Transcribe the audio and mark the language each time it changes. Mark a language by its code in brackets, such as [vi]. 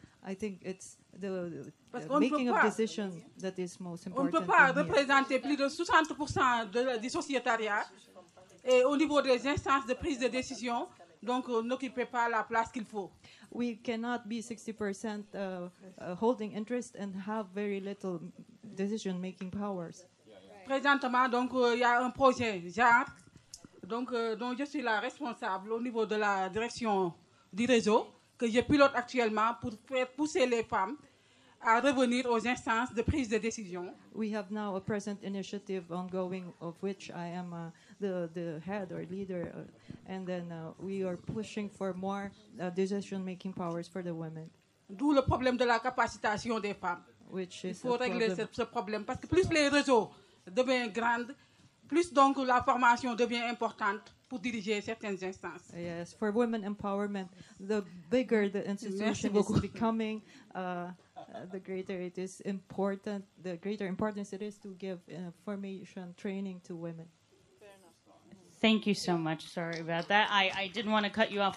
[en] I think it's the making of decision that is most important. [fr] On peut pas représenter plus de 60% du sociétariat et au niveau des instances de prise de décision, donc n'occupez pas la place qu'il faut. [en] We cannot be 60% holding interest and have very little decision-making powers. [fr] Présentement, donc il y a un projet, genre, donc dont je suis la responsable au niveau de la direction du réseau que je pilote actuellement pour faire pousser les femmes à revenir aux instances de prise de décision. [en] We have now a present initiative ongoing of which I am the head or leader, and then we are pushing for more decision-making powers for the women. [fr] D'où le problème de la capacitation des femmes. [en] Which is [fr] il faut régler ce problème parce que plus les réseaux deviennent grands, plus donc la formation devient importante pour diriger certaines instances. [en] Yes, for women empowerment, the bigger the institution is becoming, the greater it is important, the greater importance it is to give formation training to women. Thank you so much. Sorry about that. I didn't want to cut you off.